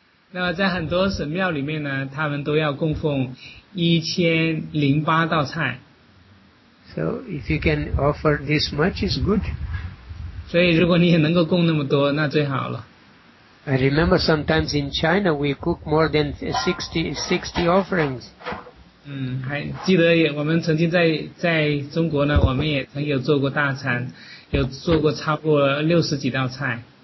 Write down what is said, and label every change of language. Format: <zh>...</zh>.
<zh>那么在很多神庙里面呢，他们都要供奉1,008道菜。</zh> <en>So if you can offer this much, it's good.</en> <zh>所以如果你也能够供那么多，那最好了。</zh> <en>I remember sometimes in China we cook more than 60 offerings.</en> <zh>还记得我们曾经在中国呢，我们也曾有做过大餐，有做过超过60几道菜。</zh>